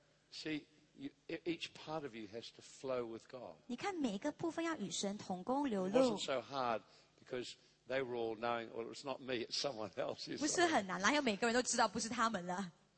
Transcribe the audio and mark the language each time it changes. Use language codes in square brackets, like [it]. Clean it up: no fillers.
[en] See, you, each part of you has to flow with God. [zh] 你看每个部分要与神同工流露。 [en] It wasn't so hard because they were all knowing, well, it's not me, it's someone else. [zh] 不是很难，然后每个人都知道不是他们了。